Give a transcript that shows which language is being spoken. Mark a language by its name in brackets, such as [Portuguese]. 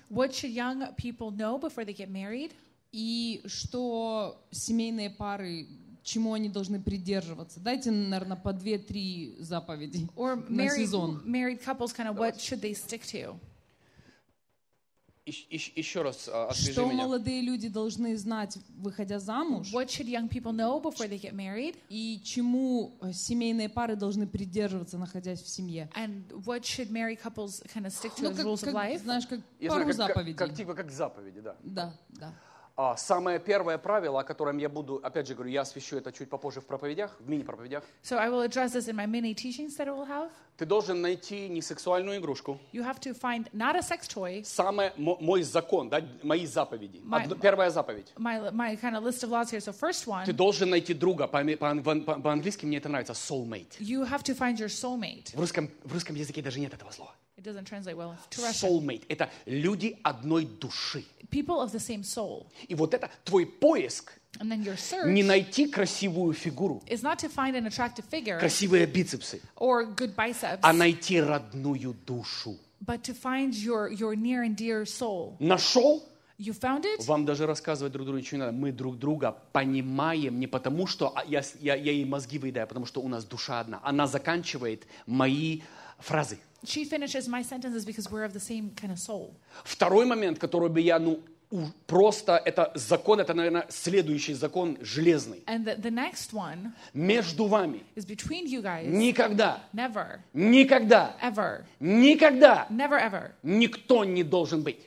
[English] What should young people know before they get married? [Russian] И что семейные пары, чему они должны придерживаться? Дайте, наверное, по 2-3 заповеди [English] or [Russian] на сезон. [English] Married couples, kind of, what should they stick to? [Russian] Еще раз, что меня. Молодые люди должны знать, выходя замуж? [English] What should young people know before they get married? [Russian] И чему семейные пары должны придерживаться, находясь в семье? [English] And what should married couples kind of stick to as rules of life? [Russian] Знаешь, как я пару как, заповедей. Как типа как заповеди, да? Да, да. Самое первое правило, о котором я буду, опять же говорю, я освещу это чуть попозже в проповедях, в мини-проповедях. [English] So I will address this in my mini teachings that I will have. [Russian] Ты должен найти не сексуальную игрушку. [English] You have to find not a sex toy. [Russian] Самое мой закон, да, мои заповеди. Первая заповедь. [English] My kind of list of laws here. So first one. [Russian] Ты должен найти друга по-английски мне это нравится, soulmate. [English] You have to find your soulmate. [Russian] В русском языке даже нет этого слова. [English] It doesn't translate well to Russian. [Russian] Soulmate – это люди одной души. [English] People of the same soul. [Russian] И вот это твой поиск. [English] And then your search. [Russian] Не найти красивую фигуру. [English] Is not to find an attractive figure. [Russian] Красивые бицепсы. [English] Or good biceps. [Russian] А найти родную душу. [English] But to find your near and dear soul. [Russian] Нашел? [English] You found it? [Russian] Вам даже рассказывать друг другу ничего не надо. Мы друг друга понимаем не потому, что я ей мозги выедаю, потому что у нас душа одна. Она заканчивает мои фразы. [English] She finishes my sentences because we're of the same kind of soul. [Russian] Второй момент, который бы я, ну, просто, это закон, это, наверное, следующий закон, железный. [English] And the next one [Russian] между вами [English] is between you guys. [Russian] Никогда. [English] Never. [Russian] Никогда. [English] Ever. [Russian] Никогда. [English] Never ever. [Russian] Никто не должен быть.